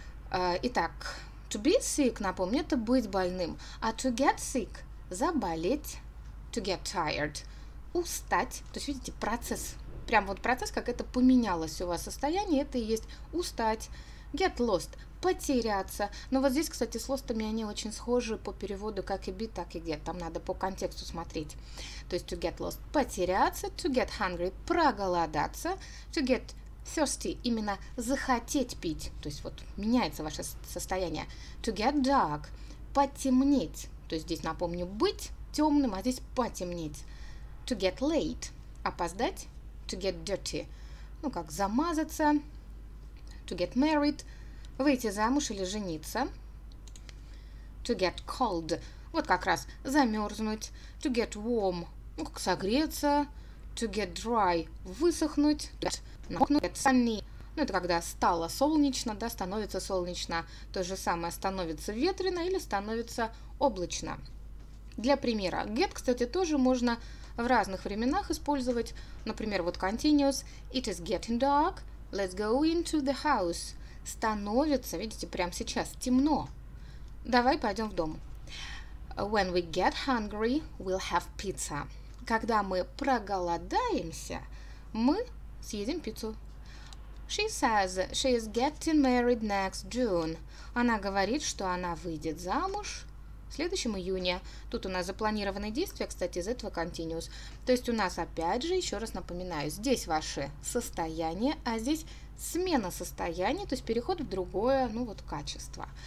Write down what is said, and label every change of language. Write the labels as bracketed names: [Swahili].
[Russian] Итак, [English] to be sick, [Russian] напомню, это быть больным, а [English] to get sick [Russian] – заболеть, [English] to get tired [Russian] – устать, то есть, видите, процесс. Прям вот процесс, как это поменялось у вас состояние, это и есть устать, [English] get lost, [Russian] потеряться. Но вот здесь, кстати, с lost'ами они очень схожи по переводу как и be, так и get. Там надо по контексту смотреть. То есть [English] to get lost [Russian] – потеряться, [English] to get hungry [Russian] – проголодаться, [English] to get thirsty [Russian] – именно захотеть пить. То есть вот меняется ваше состояние. [English] To get dark – [Russian] потемнеть. То есть здесь, напомню, быть темным, а здесь потемнеть. [English] To get late – [Russian] опоздать. [English] To get dirty, [Russian] ну, как замазаться, [English] to get married, [Russian] выйти замуж или жениться, [English] to get cold, [Russian] вот как раз замерзнуть, [English] to get warm, [Russian] ну, как согреться, [English] to get dry, [Russian] высохнуть, [English] to get sunny, [Russian] ну, это когда стало солнечно, да, становится солнечно, то же самое, становится ветрено или становится облачно. Для примера, get, кстати, тоже можно в разных временах использовать, например, вот continuous, [English] it is getting dark, let's go into the house, [Russian] становится, видите, прямо сейчас темно, Давай пойдем в дом. [English] When we get hungry, we'll have pizza. [Russian] Когда мы проголодаемся, мы съедим пиццу. [English] She says she is getting married next June. [Russian] Она говорит, что она выйдет замуж в следующем июне. Тут у нас запланированные действия, кстати, из этого continuous. То есть у нас, опять же, еще раз напоминаю, здесь ваше состояние, а здесь смена состояния, то есть переход в другое, ну вот, качество.